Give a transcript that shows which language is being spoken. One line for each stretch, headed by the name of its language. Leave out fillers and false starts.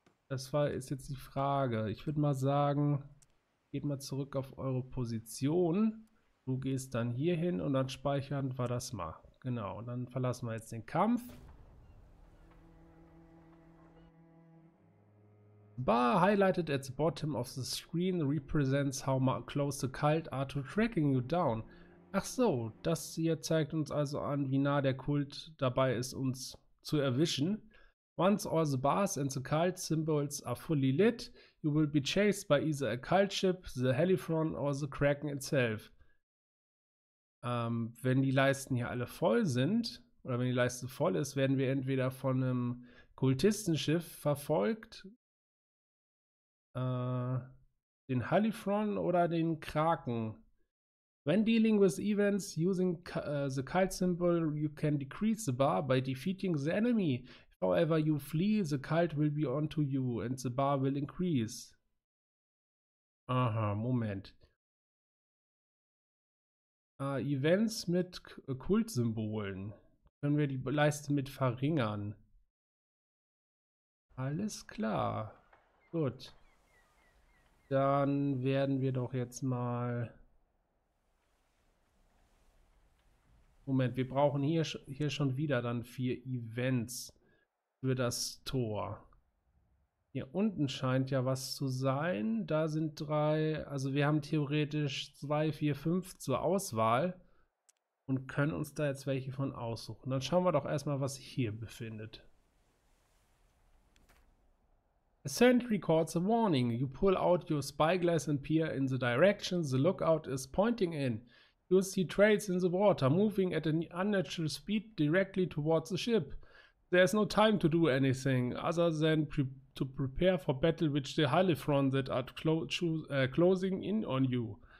German: Ist jetzt die Frage. Ich würde mal sagen, geht mal zurück auf eure Position. Du gehst dann hier hin und dann speichern wir das mal. Genau, und dann verlassen wir jetzt den Kampf.
English: Bar highlighted at the bottom of the screen represents how close the cult are to tracking you down.
German: Ach so, das hier zeigt uns also an, wie nah der Kult dabei ist, uns zu erwischen.
English: Once all the bars and the cult symbols are fully lit, You will be chased by either a cult ship, the Helifron or the Kraken itself.
German: Wenn die Leisten hier alle voll sind, oder wenn die Leiste voll ist, werden wir entweder von einem Kultistenschiff verfolgt, den Helifron oder den Kraken.
English: When dealing with events using the cult symbol, you can decrease the bar by defeating the enemy. However you flee, the cult will be onto you and the bar will increase.
German: Aha, Moment. Events mit Kultsymbolen. Können wir die Leiste mit verringern? Alles klar. Gut. Dann werden wir doch jetzt mal... Moment, wir brauchen hier schon wieder dann 4 Events für das Tor. Hier unten scheint ja was zu sein. Da sind 3, also wir haben theoretisch 2, 4, 5 zur Auswahl und können uns da jetzt welche von aussuchen. Dann schauen wir doch erstmal, was sich hier befindet.
English: A sentry records a warning. You pull out your spyglass and peer in the direction the lookout is pointing in. You see trails in the water, moving at an unnatural speed directly towards the ship. There is no time to do anything other than to prepare for battle with the Helifron that are closing in on you.